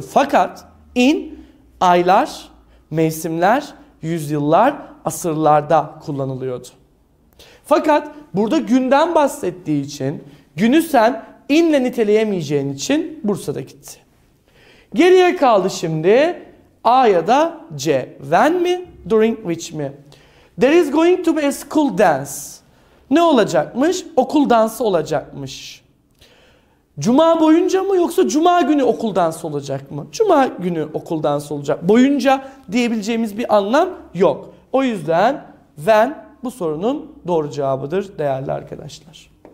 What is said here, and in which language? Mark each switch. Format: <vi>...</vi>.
<tr>Fakat in aylar, mevsimler, yüzyıllar, asırlarda kullanılıyordu. Fakat burada günden bahsettiği için günü sen in'le niteleyemeyeceğin için Bursa'da gitti. Geriye kaldı şimdi A ya da C. When mi? During which mi?</tr> <en>There is going to be a school dance.</en> <tr>Ne olacakmış? Okul dansı olacakmış. Cuma boyunca mı yoksa cuma günü okul dansı olacak mı? Cuma günü okul dansı olacak. Boyunca diyebileceğimiz bir anlam yok. O yüzden when bu sorunun doğru cevabıdır değerli arkadaşlar.</tr>